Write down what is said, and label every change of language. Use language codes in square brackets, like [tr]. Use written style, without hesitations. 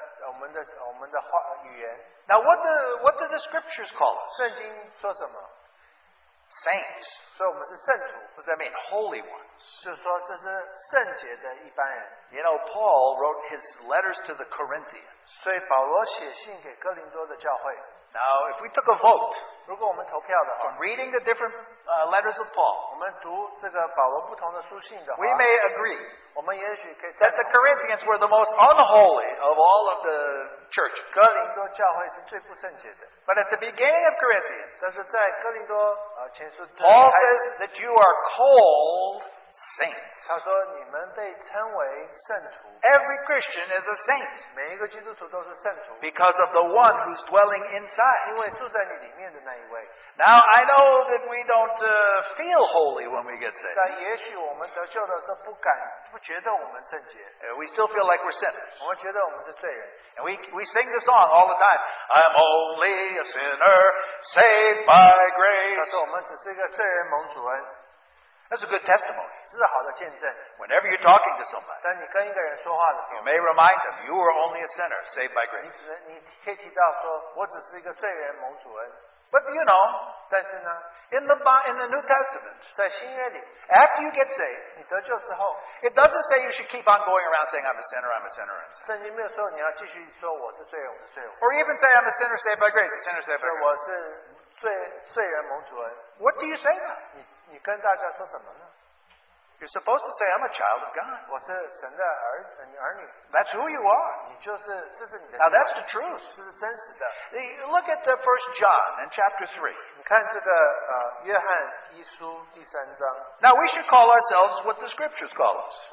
[zh] 我们需要改变我们的语言。 [en] Now what do the scriptures call us? [zh] 圣经说什么? [en] Saints. [zh] 所以我们是圣徒。 [en] What does that mean? Holy ones. [zh] 就是说这是圣洁的一般人。 [en] You know, Paul wrote his letters to the Corinthians. [zh] 所以保罗写信给哥林多的教会。 [en] Now, if we took a vote, [zh] 如果我们投票的话, [en] from reading the different letters of Paul, [zh] 我们读这个保罗不同的书信的话, [en] we may agree that the Corinthians were the most unholy of all of the churches. [zh] 哥林多教会是最不圣洁的。 [en] But at the beginning of Corinthians, [zh] 但是在哥林多, 前书, [en] Paul says that you are called saints. [zh] 他说你们被称为圣徒。 [en] Every Christian is a saint. [zh] 每一个基督徒都是圣徒。 [en] Because of the one who's dwelling inside. [zh] 因为住在你里面的那一位。 [en] Now I know that we don't feel holy when we get saved. [zh] 但也许我们得救的时候不觉得我们圣洁。 [en] We still feel like we're sinners. [zh] 我们觉得我们是罪人。 [en] And we sing the song all the time. I'm only a sinner saved by grace. [zh] 他说我们只是一个罪人蒙主恩。 [en] That's a good testimony. [zh] 这是好的见证。 [en] Whenever you're talking to somebody, [zh] 但你跟一个人说话的时候, [en] you may remind them, you are only a sinner, saved by grace. [zh] 你可以提到说, 我只是一个罪人蒙主恩。 [en] But you know, [zh] 但是呢, [en] in the New Testament, [zh] 在新约里, [en] after you get saved, [zh] 你得救之后, [en] it doesn't say you should keep on going around saying, I'm a sinner, I'm a sinner, I'm a sinner. [zh] 圣经没有说你要继续说我是罪人。 [en] Or even say, I'm a sinner, saved by grace, a sinner, saved by grace. [zh] 我是罪人蒙主恩。 [en] What do you say now? [zh] 你跟大家说什么呢? [en] You're supposed to say, I'm a child of God. [zh] 我是神的儿女。 [en] That's who you are. [zh] 你就是,这是你的。 [en] Now that's the truth. [zh] 这是真实的。 [en] Look at 1 John in chapter 3. [zh] 你看这个约翰一书第三章。 [en] Now we should call ourselves what the scriptures call us.